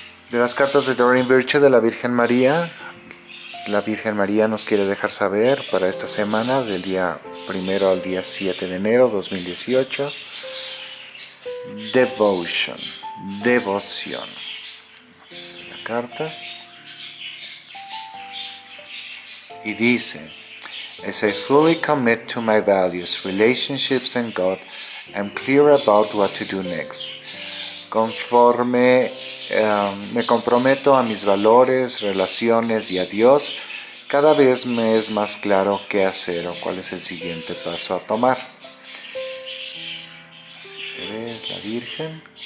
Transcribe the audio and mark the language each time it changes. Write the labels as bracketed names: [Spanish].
[Spanish] De las cartas de Doreen Virtue de la Virgen María nos quiere dejar saber para esta semana, del día primero al día 7 de enero de 2018, devotion, devoción. La carta. Y dice: [English] As I fully commit to my values, relationships, and God, I'm clear about what to do next. [Spanish] Conforme me comprometo a mis valores, relaciones y a Dios, cada vez me es más claro qué hacer o cuál es el siguiente paso a tomar. la Virgen.